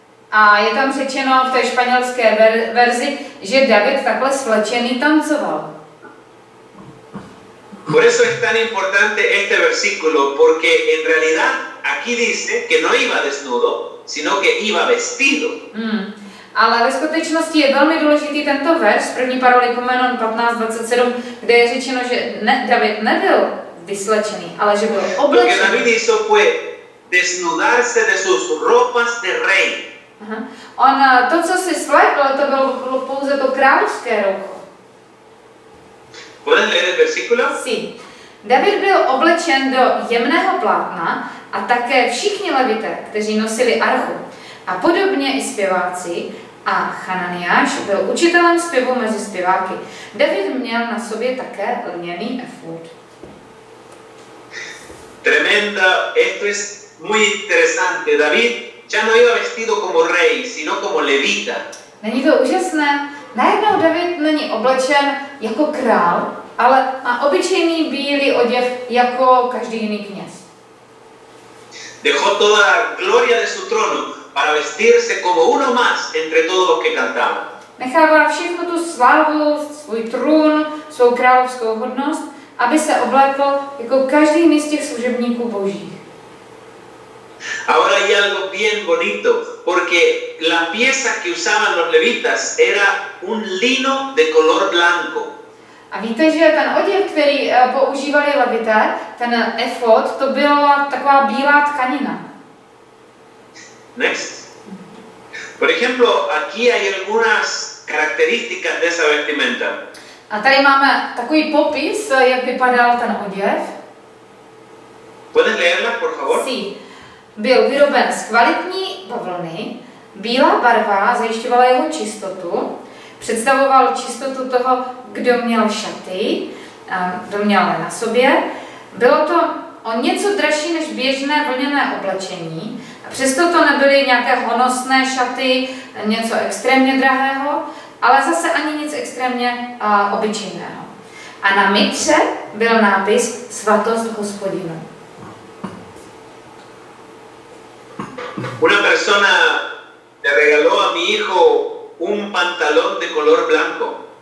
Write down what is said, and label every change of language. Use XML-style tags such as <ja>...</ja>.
<cs>A je tam řečeno v té španělské verzi, že David takhle svlečený tancoval.</cs> <es>Por eso es tan importante este versículo, porque en realidad aquí dice que no iba desnudo, sino que iba vestido.</es> <cs>Ale ve skutečnosti je velmi důležitý tento verš, první Paralipomenon 15:27, kde je řečeno, že David nebyl vyslečený, ale že byl oblečený.</cs> <es>Lo que David hizo fue desnudarse de sus ropas de rey.</es> <cs>On to, co si svlékl, to bylo pouze to královské roucho.</cs> <es>¿Puedes leer el versículo? Sí.</es> <cs>David byl oblečen do jemného plátna a také všichni levité, kteří nosili archu. A podobně i zpěváci a Chananiáš byl učitelem zpěvu mezi zpěváky. David měl na sobě také lněný efod.</cs> <es>Tremenda, esto es muy interesante. David ya no iba vestido como rey, sino como levita.</es> <cs>Není to úžasné? Najednou David není oblečen jako král, ale má obyčejný bílý oděv jako každý jiný kněz.</cs> <es>Dejó toda la gloria de su trono para vestirse como uno más entre todos los que cantaban.</es> <cs>Nechává všechnu tu slávu, svůj trůn, svou královskou hodnost, aby se oblékl jako každý jiný z těch služebníků božích.</cs> <es>Ahora hay algo bien bonito, porque la pieza que usaban los levitas era un lino de color blanco.</es> <cs>A víte, že ten oděv, který používali levité, ten efod, to byla taková bílá tkanina.</cs> <en>Next.</en> <es>Por ejemplo, aquí hay algunas características de esa vestimenta.</es> <cs>A tady máme takový popis, jak vypadal ten oděv.</cs> <es>¿Puedes leerla, por favor? Sí.</es> <cs>Byl vyroben z kvalitní bavlny, bílá barva zajišťovala jeho čistotu, představoval čistotu toho, kdo měl šaty, kdo měl na sobě. Bylo to o něco dražší než běžné vlněné oblečení, a přesto to nebyly nějaké honosné šaty, něco extrémně drahého, ale zase ani nic extrémně obyčejného. A na mitře byl nápis Svatost Hospodinu.</cs> <es>Una persona le regaló a mi hijo un pantalón de color blanco.</es>